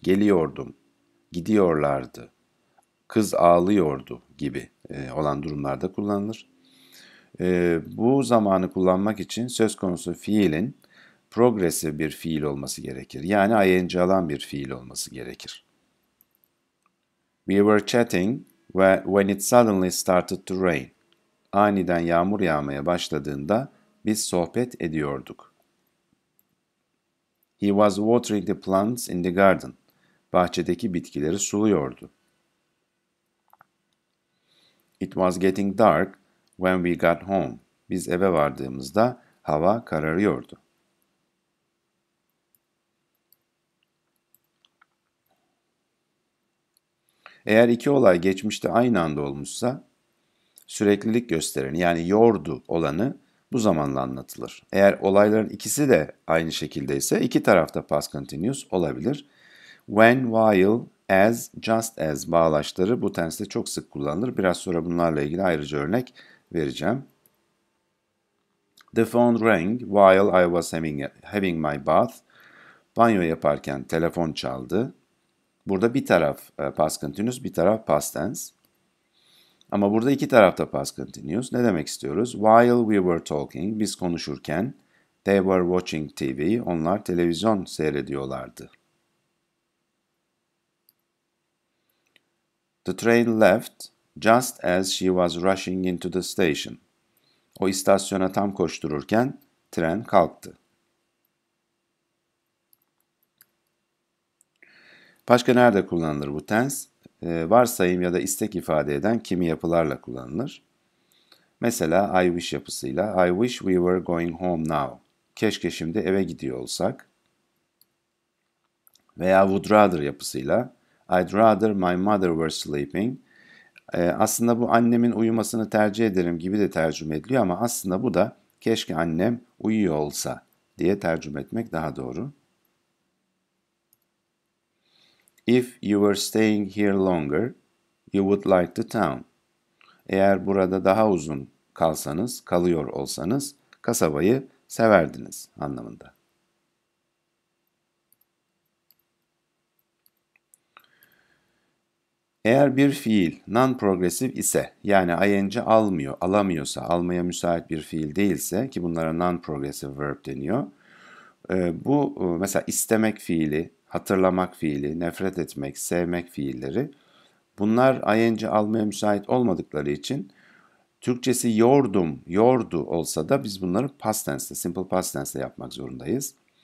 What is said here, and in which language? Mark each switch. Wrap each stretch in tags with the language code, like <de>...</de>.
<tr>Geliyordum, gidiyorlardı, kız ağlıyordu gibi olan durumlarda kullanılır. Bu zamanı kullanmak için söz konusu fiilin progresif bir fiil olması gerekir. Yani ing alan bir fiil olması gerekir.</tr> <en>We were chatting when it suddenly started to rain.</en> <tr>Aniden yağmur yağmaya başladığında biz sohbet ediyorduk.</tr> <en>He was watering the plants in the garden.</en> <tr>Bahçedeki bitkileri suluyordu.</tr> <en>It was getting dark when we got home.</en> <tr>Biz eve vardığımızda hava kararıyordu. Eğer iki olay geçmişte aynı anda olmuşsa, süreklilik gösteren yani yordu olanı bu zamanla anlatılır. Eğer olayların ikisi de aynı şekilde ise iki tarafta past continuous olabilir. When, while, as, just as bağlaçları bu tense'de çok sık kullanılır. Biraz sonra bunlarla ilgili ayrıca örnek vereceğim.</tr> <en>The phone rang while I was having my bath.</en> <tr>Banyo yaparken telefon çaldı. Burada bir taraf past continuous, bir taraf past tense. Ama burada iki tarafta past continuous. Ne demek istiyoruz?</tr> <en>While we were talking,</en> <tr>biz konuşurken,</tr> <en>they were watching TV,</en> <tr>onlar televizyon seyrediyorlardı.</tr> <en>The train left just as she was rushing into the station.</en> <tr>O istasyona tam koştururken tren kalktı. Başka nerede kullanılır bu tense? varsayım ya da istek ifade eden kimi yapılarla kullanılır. Mesela</tr> <en>I wish</en> <tr>yapısıyla</tr> <en>I wish we were going home now.</en> <tr>Keşke şimdi eve gidiyor olsak. Veya</tr> <en>would rather</en> <tr>yapısıyla</tr> <en>I'd rather my mother were sleeping.</en> <tr>Aslında bu annemin uyumasını tercih ederim gibi de tercüme ediliyor ama aslında bu da keşke annem uyuyor olsa diye tercüme etmek daha doğru.</tr> <en>If you were staying here longer, you would like the town.</en> <tr>Eğer burada daha uzun kalsanız, kalıyor olsanız, kasabayı severdiniz anlamında. Eğer bir fiil non-progressive ise, yani ing almıyor, alamıyorsa, almaya müsait bir fiil değilse, ki bunlara non-progressive verb deniyor, bu mesela istemek fiili, hatırlamak fiili, nefret etmek, sevmek fiilleri, bunlar ing almaya müsait olmadıkları için Türkçesi yordum, yordu olsa da biz bunları past tense'de, simple past tense'de yapmak zorundayız.</tr>